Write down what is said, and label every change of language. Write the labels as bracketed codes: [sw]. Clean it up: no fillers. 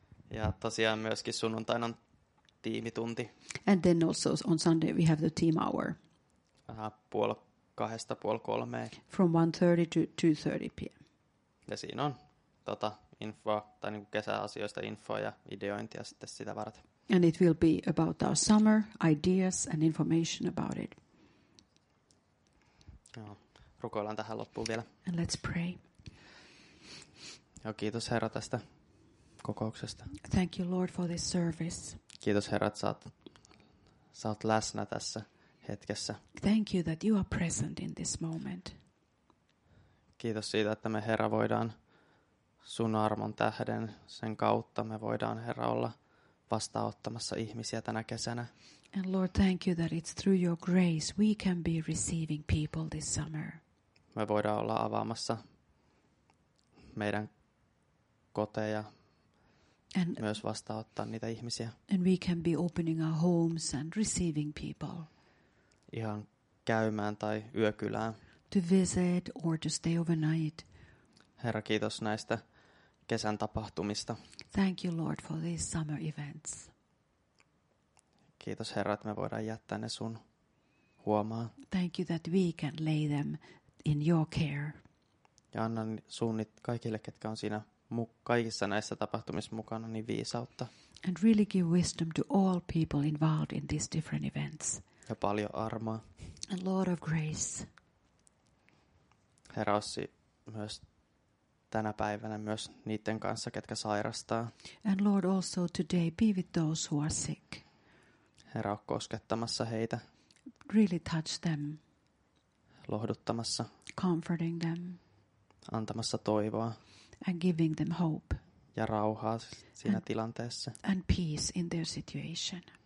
[fi] Ja tosiaan myöskin sunnuntain on tiimitunti. [en] And then also on Sunday we have the team hour. [fi] Kahdesta puoli kolmeen. [en] From 1:30 to 2:30 p.m. [fi] Ja siinä on infoa, tai niin kuin kesäasioista infoa ja ideointia sitten sitä varten. [en] And it will be about our summer ideas and information about it. [fi] Joo, rukoillaan tähän loppuun vielä. [en] And let's pray. [fi] Joo, kiitos Herra tästä kokouksesta. [en] Thank you Lord for this service. [fi] Kiitos Herra, että sä oot läsnä tässä. Hetkessä. [en] Thank you that you are present in this moment. [fi] Kiitos siitä, että me Herra voidaan sun armon tähden, sen kautta me voidaan Herra olla vastaanottamassa ihmisiä tänä kesänä. [en] And Lord, thank you that it's through your grace we can be receiving people this summer. [fi] Me voidaan olla avaamassa meidän koteja. And myös vastaanottaa niitä ihmisiä. [en] And we can be opening our homes and receiving people. [fi] Ihan käymään tai yökylään. [en] To visit or to stay overnight. [fi] Herra, kiitos näistä kesän tapahtumista. [en] Thank you, Lord, for these summer events. [fi] Kiitos, Herra, että me voidaan jättää ne sun huomaan. [en] Thank you that we can lay them in your care. [fi] Ja anna suunnit kaikille, ketkä on siinä kaikissa näissä tapahtumissa mukana, niin viisautta. [en] And really give wisdom to all people involved in these different events. [fi] Ja paljon armaa. [en] And Lord of grace. [fi] Herra, ossi myös tänä päivänä myös niiden kanssa, ketkä sairastaa. [en] And Lord, also today, be with those who are sick. [fi] Herra, on koskettamassa heitä. [en] Really touch them. [fi] Lohduttamassa. [en] Comforting them. [fi] Antamassa toivoa. [en] And giving them hope. [fi] Ja rauhaa siinä tilanteessa. [en] And peace in their situation.